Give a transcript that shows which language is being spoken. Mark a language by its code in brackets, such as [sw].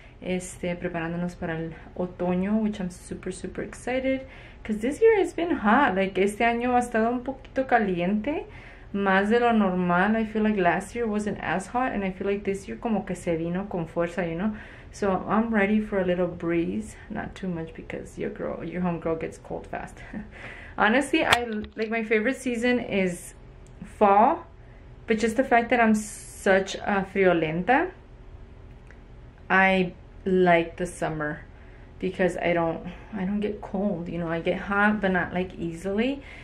[es] Preparándonos para el otoño, [en] which I'm super super excited because this year has been hot. [es] Like este año ha estado un poquito caliente, más de lo normal. [en] I feel like last year wasn't as hot, and I feel like this year [es] como que se vino con fuerza, [en] you know. So I'm ready for a little breeze, not too much, because your girl, your homegirl gets cold fast. Honestly, I like, my favorite season is fall, but just the fact that I'm such a friolenta, I like the summer because I don't get cold, you know. I get hot but not like easily.